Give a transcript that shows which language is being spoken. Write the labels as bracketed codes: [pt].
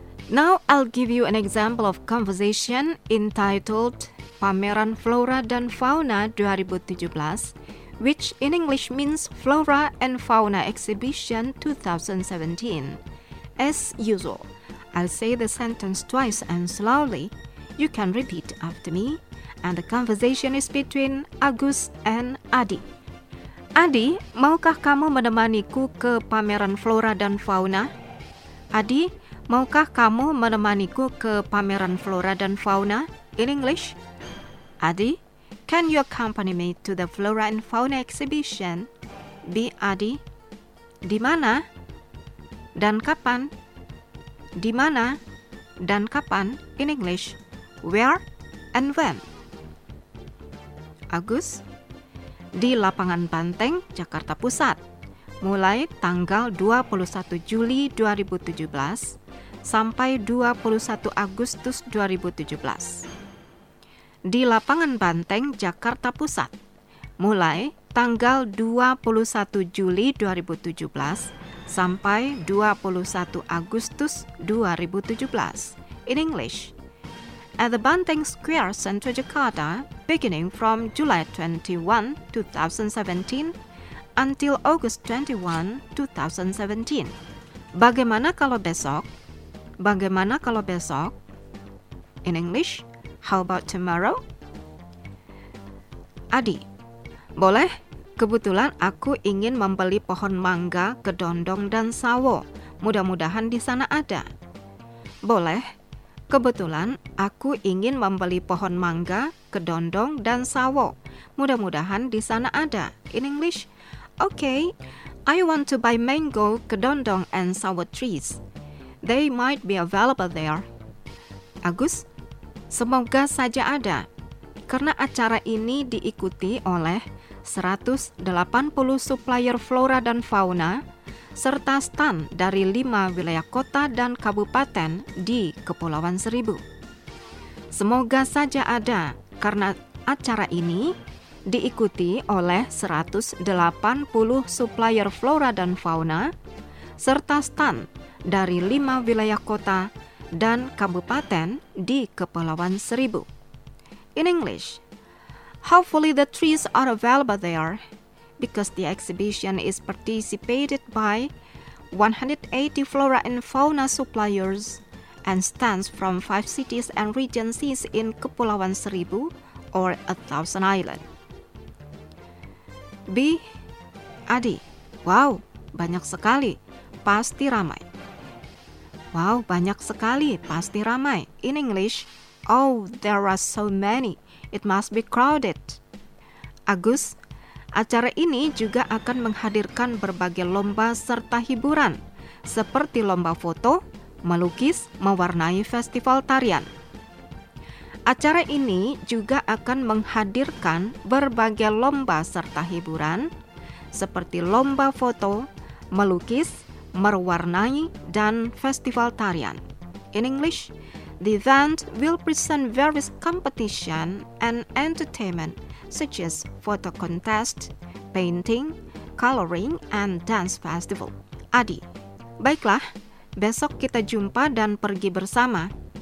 [en] Now I'll give you an example of conversation entitled Pameran Flora dan Fauna 2017, which in English means Flora and Fauna Exhibition 2017. As usual, I'll say the sentence twice and slowly. You can repeat after me. And the conversation is between Agus and Adi. [id] Adi, maukah kamu menemaniku ke pameran flora dan fauna? Adi, maukah kamu menemaniku ke pameran flora dan fauna? [en] In English? Adi, can you accompany me to the flora and fauna exhibition? [id] B. Adi, di mana? Dan kapan? Di mana? Dan kapan? [en] In English, where and when? [id] Agus, di Lapangan Banteng, Jakarta Pusat, mulai tanggal 21 Juli 2017 sampai 21 Agustus 2017. Di Lapangan Banteng, Jakarta Pusat, mulai tanggal 21 Juli 2017 sampai 21 Agustus 2017. [en] In English, at the Banteng Square, Central Jakarta, beginning from July 21, 2017 until August 21, 2017. [id] Bagaimana kalau besok? Bagaimana kalau besok? [en] In English, how about tomorrow? [id] Adi, boleh? Kebetulan aku ingin membeli pohon mangga, kedondong, dan sawo. Mudah-mudahan di sana ada. Boleh? Kebetulan aku ingin membeli pohon mangga, kedondong, dan sawo. Mudah-mudahan di sana ada. [en] In English, okay, I want to buy mango, kedondong, and sawo trees. They might be available there. [id] Agus, semoga saja ada. Karena acara ini diikuti oleh 180 supplier flora dan fauna, serta stan dari 5 wilayah kota dan kabupaten di Kepulauan Seribu. Semoga saja ada, karena acara ini diikuti oleh 180 supplier flora dan fauna, serta stan dari 5 wilayah kota dan kabupaten di Kepulauan Seribu. [en] In English, hopefully the trees are available there, because the exhibition is participated by 180 flora and fauna suppliers and stands from 5 cities and regions in Kepulauan Seribu or a Thousand Island. [id] B. Adi, wow, banyak sekali, pasti ramai. [en] Wow, [id] banyak sekali, pasti ramai. [en] In English, oh, there are so many, it must be crowded. [id] Agus, acara ini juga akan menghadirkan berbagai lomba serta hiburan, seperti lomba foto, melukis, mewarnai festival tarian. Acara ini juga akan menghadirkan berbagai lomba serta hiburan, seperti lomba foto, melukis, mewarnai, dan festival tarian. [en] In English, the event will present various competition and entertainment, such as photo contest, painting, coloring, and dance festival, [id] Adi. Baiklah, besok kita jumpa dan pergi bersama.